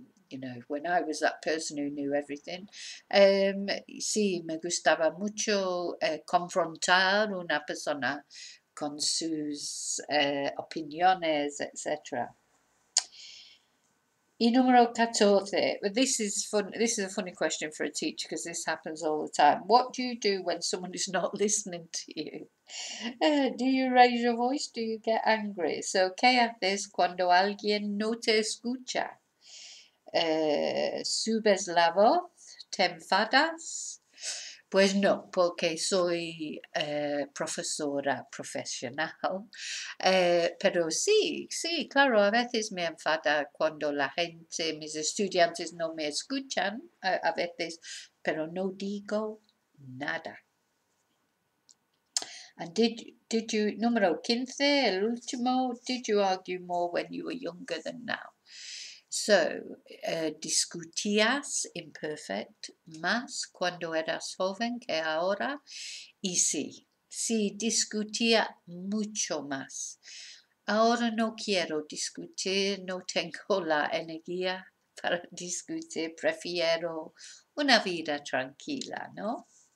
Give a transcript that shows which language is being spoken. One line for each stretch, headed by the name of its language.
English: you know, when I was that person who knew everything.
Spanish: Sí, me gustaba mucho confrontar una persona con sus opiniones, etc. Y número 14,
English: this is a funny question for a teacher because this happens all the time. What do you do when someone is not listening to you? Do you raise your voice? Do you get angry?
Spanish: So, ¿qué haces cuando alguien no te escucha? ¿Subes la voz? ¿Te enfadas? Pues no, porque soy profesora profesional. Pero sí, claro, a veces me enfada cuando la gente, mis estudiantes no me escuchan, a veces, pero no digo nada.
English: And did you,
Spanish: número 15, el último,
English: did you argue more when you were younger than now?
Spanish: So, discutías, imperfect, más cuando eras joven que ahora. Y sí, discutía mucho más. Ahora no quiero discutir, no tengo la energía para discutir, prefiero una vida tranquila, ¿no?